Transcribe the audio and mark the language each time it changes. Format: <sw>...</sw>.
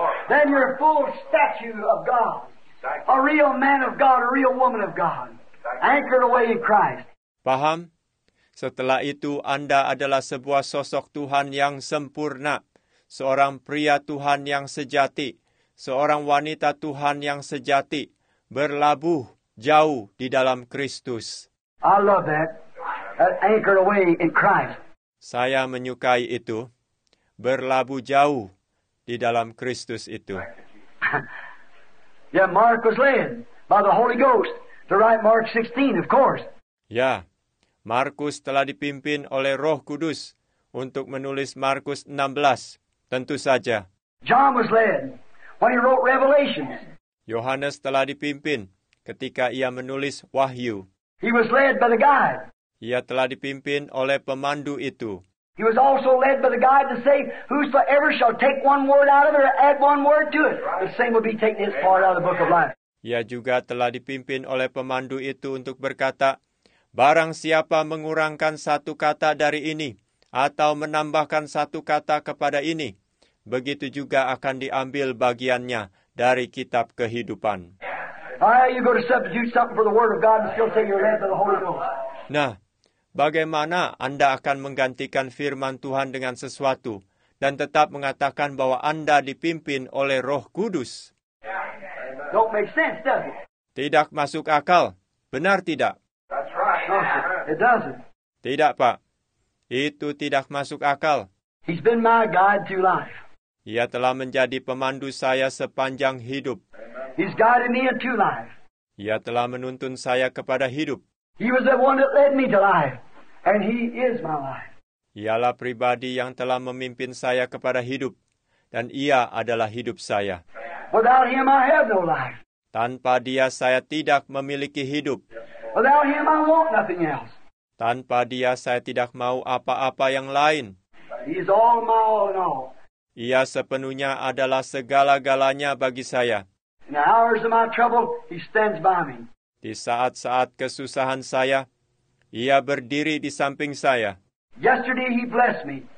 <en>Then you're a full statue of God, a real man of God, a real woman of God, anchored away in Christ.</en> <id>Paham? Setelah itu, Anda adalah sebuah sosok Tuhan yang sempurna, seorang pria Tuhan yang sejati, seorang wanita Tuhan yang sejati, berlabuh jauh di dalam Kristus.</id> <en>I love that. Anchored away in Christ.</en> <id>Saya menyukai itu, berlabuh jauh di dalam Kristus itu.</id> <en>Yeah, Mark was led by the Holy Ghost to write Mark 16, of course.</en> <id>Ya, Markus telah dipimpin oleh Roh Kudus untuk menulis Markus 16, tentu saja.</id> <en>John was led when he wrote Revelation.</en> <id>Yohanes telah dipimpin ketika ia menulis Wahyu.</id> <en>He was led by the guide.</en> <id>Ia telah dipimpin oleh pemandu itu.</id> <en>He was also led by the guide to say, whosoever shall take one word out of it or add one word to it, the same will be taking his part out of the book of life.</en> <id>Ia juga telah dipimpin oleh pemandu itu untuk berkata, barang siapa mengurangkan satu kata dari ini, atau menambahkan satu kata kepada ini, begitu juga akan diambil bagiannya dari kitab kehidupan.</id> <en>You go to substitute something for the word of God and still say you're led by the Holy Ghost.</en> <id>Nah, bagaimana Anda akan menggantikan firman Tuhan dengan sesuatu dan tetap mengatakan bahwa Anda dipimpin oleh Roh Kudus?</id> <en>Don't make sense, does it?</en> <id>Tidak masuk akal. Benar tidak?</id> <en>That's right. No, sir. It doesn't.</en> <id>Tidak, Pak. Itu tidak masuk akal.</id> <en>He's been my guide through life.</en> <id>Ia telah menjadi pemandu saya sepanjang hidup.</id> <en>He's guided me into life.</en> <id>Ia telah menuntun saya kepada hidup.</id> <en>He was the one that led me to life, and he is my life.</en> <id>Ialah pribadi yang telah memimpin saya kepada hidup, dan ia adalah hidup saya.</id> <en>Without him, I have no life.</en> <id>Tanpa dia, saya tidak memiliki hidup.</id> <en>Without him, I want nothing else.</en> <id>Tanpa dia, saya tidak mau apa-apa yang lain.</id> <en>He is all my all in all.</en> <id>Ia sepenuhnya adalah segala-galanya bagi saya.</id> <en>In the hours of my trouble, he stands by me.</en> <id>Di saat-saat kesusahan saya, ia berdiri di samping saya.</id> <en>Yesterday he blessed me.</en>